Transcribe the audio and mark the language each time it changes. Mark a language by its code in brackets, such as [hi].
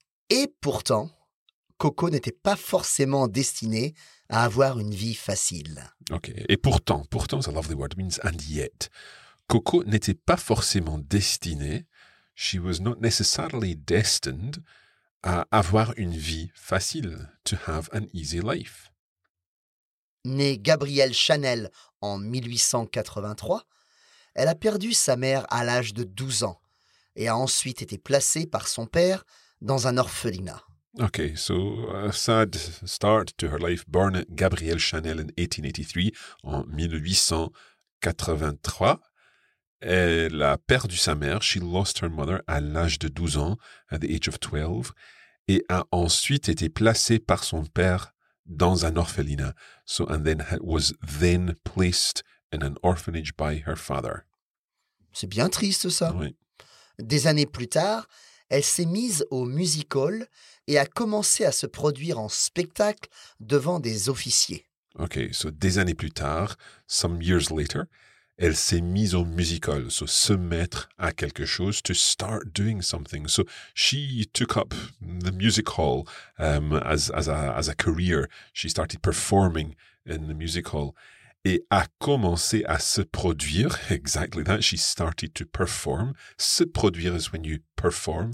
[fr] Et pourtant, Coco n'était pas forcément destinée à avoir une vie facile. [en] Okay. [fr] Et pourtant, [en] it's a lovely word, it means and yet. [fr] Coco n'était pas forcément destinée, [en] she was not necessarily destined, [fr] à avoir une vie facile, [en] to have an easy life. [fr] Née Gabrielle Chanel en 1883, Elle a perdu sa mère à l'âge de 12 ans et a ensuite été placée par son père dans un orphelinat. [en] Okay, so a sad start to her life. Born Gabrielle Chanel in 1883, en 1883. [fr] Elle a perdu sa mère, [en] she lost her mother, [fr] à l'âge de 12 ans, [en] at the age of 12, [fr] et a ensuite été placée par son père dans un orphelinat. [en] So, and then was then placed in an orphanage by her father. [fr] C'est bien triste, ça. Oui. Des années plus tard, elle s'est mise au music hall et a commencé à se produire en spectacle devant des officiers. [en] Okay, so [fr] des années plus tard, [en] some years later, [fr] elle s'est mise au music hall, [en] so [fr] se mettre à quelque chose, [en] to start doing something. So she took up the music hall as a career. She started performing in the music hall [fr] et a commencé à se produire. [en] Exactly that. She started to perform. [fr] Se produire [en] is when you perform.